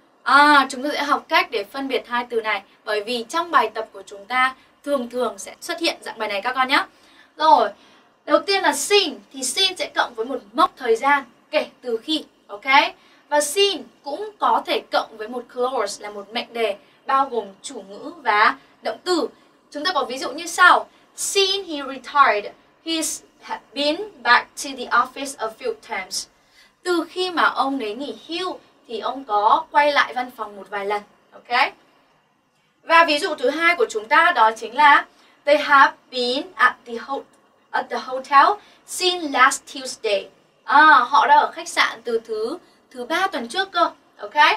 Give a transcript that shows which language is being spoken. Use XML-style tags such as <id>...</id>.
<vi>À, chúng ta sẽ học cách để phân biệt hai từ này, bởi vì trong bài tập của chúng ta thường thường sẽ xuất hiện dạng bài này các con nhé. Rồi, đầu tiên là seen, thì seen sẽ cộng với một mốc thời gian kể từ khi, ok? Và seen cũng có thể cộng với một clause, là một mệnh đề bao gồm chủ ngữ và động từ. Chúng ta có ví dụ như sau.</vi> <en>Since he retired, he's been back to the office a few times.</en> <vi>Từ khi mà ông ấy nghỉ hưu thì ông có quay lại văn phòng một vài lần, ok? Và ví dụ thứ hai của chúng ta đó chính là</vi> <en>they have been at the hotel since last Tuesday.</en> <vi>À, họ đã ở khách sạn từ thứ ba tuần trước cơ. Ok?</vi>